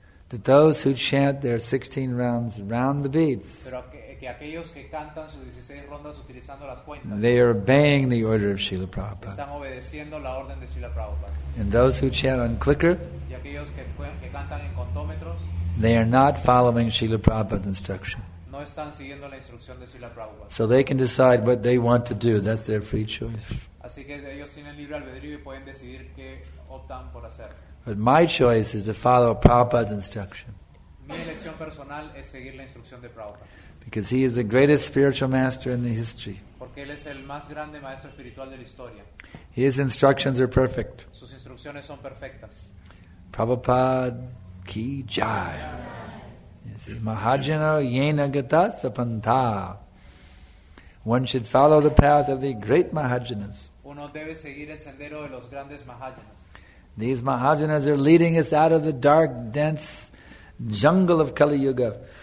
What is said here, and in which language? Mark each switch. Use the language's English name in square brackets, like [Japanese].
[English] That those who chant their 16 rounds round the beads, [Spanish] pero que aquellos que cantan sus 16 rondas utilizando las cuentas, [English] they are obeying the order of Srila Prabhupada. [Spanish] Están obedeciendo la orden de Srila Prabhupada. [English] And those who chant on clicker, [Spanish] y aquellos que cantan en contómetros, [English] they are not following Srila Prabhupada's instruction. [Spanish] No están siguiendo la instrucción de Srila Prabhupada. [English] So they can decide what they want to do. That's their free choice. [Spanish] Así que ellos tienen libre albedrío y pueden decidir qué optan por hacer. [English] But my choice is to follow Prabhupada's instruction. [Spanish] Mi elección personal es seguir la instrucción de Prabhupada. [English] Because he is the greatest spiritual master in the history. [Spanish] Porque él es el más grande maestro espiritual de la historia. [English] His instructions are perfect. [Spanish] Sus instrucciones son perfectas. [English] Prabhupada ki jai. This is Mahajana Yena Gata Sapanta. One should follow the path of the great Mahajanas. [Spanish] Uno debe seguir el sendero de los grandes Mahajanas. [English] These Mahajanas are leading us out of the dark, dense jungle of Kali Yuga.